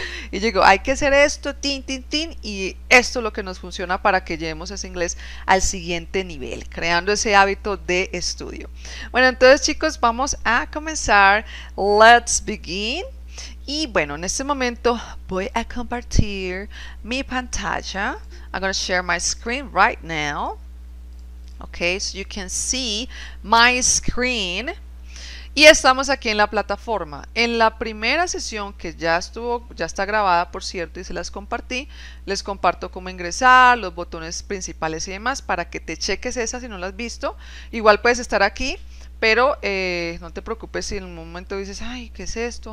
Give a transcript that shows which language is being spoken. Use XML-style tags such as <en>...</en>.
<es>Y digo, hay que hacer esto, tin, tin, tin, y esto es lo que nos funciona para que llevemos ese inglés al siguiente nivel, creando ese hábito de estudio. Bueno, entonces chicos, vamos a comenzar.</es> <en>Let's begin.</en> <es>Y bueno, en este momento voy a compartir mi pantalla.</es> <en>I'm going to share my screen right now. Okay, so you can see my screen.</en> <es>Y estamos aquí en la plataforma. En la primera sesión que ya está grabada, por cierto, y se las compartí, les comparto cómo ingresar, los botones principales y demás para que te cheques esa si no la has visto. Igual puedes estar aquí, pero no te preocupes si en un momento dices, ay, ¿qué es esto?</es>